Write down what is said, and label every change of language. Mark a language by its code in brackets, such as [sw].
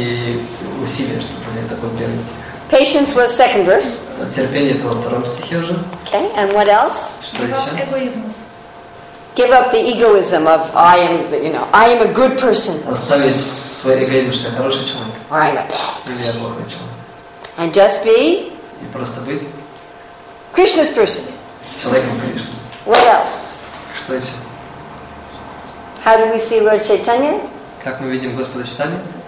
[ru] И усилия, чтобы не такой первый стих. [en] Patience was second verse. [ru] Терпение это во втором стихе уже. [en] Okay, and what else? [ru] Что еще? Эгоизм. [en] Give up the egoism of I am, you know, I am a good person. [ru] Оставить свой эгоизм, что я хороший человек. [en] Or I'm a bad person. [ru] Или я плохой человек. [en] And just be. [ru] И просто быть. [en] Krishna's person. [ru] Человеком Кришны. [en] What else? [ru] Что еще? [en] How do we see Lord Chaitanya? [ru] Как мы видим Господа Чайтанью?